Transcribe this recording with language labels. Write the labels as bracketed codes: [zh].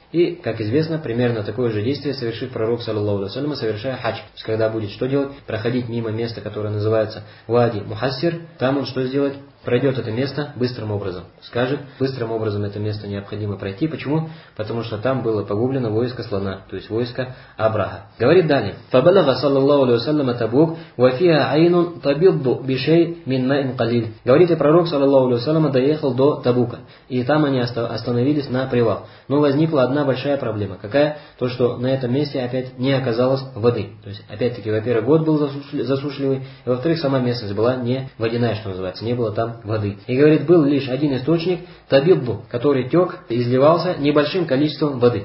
[ru] И, как известно, примерно такое же действие совершит пророк, саллаллаху алейхи ва саллям, совершая хадж. То есть, когда будет что делать? Проходить мимо места, которое называется Вади Мухассир, там он что сделает? Пройдет это место быстрым образом. Скажет, быстрым образом это место необходимо пройти. Почему? Потому что там было погублено войско слона, то есть войско Абраха. Говорит далее. [ar] فَبَلَغَ صَلَى اللَّهُ عَلَيْهُ وَسَلَّمَ تَبُوكُ وَفِيهَا عَيْنٌ تَبِضُّ بِشَيْءٍ مِنْ مَاءٍ قَلِيلٍ [ru] говорит, и пророк, саллаллаху алейхи ва саллям, доехал до Табука. И там они остановились на привал. Но возникла одна большая проблема. Какая? То, что на этом месте опять не оказалось воды. То есть, опять-таки, во-первых, год был засушливый, и во-вторых, сама местность была не водяная, что называется, не было там воды. И говорит, был лишь один источник, Табиббу, который тек, изливался небольшим количеством воды.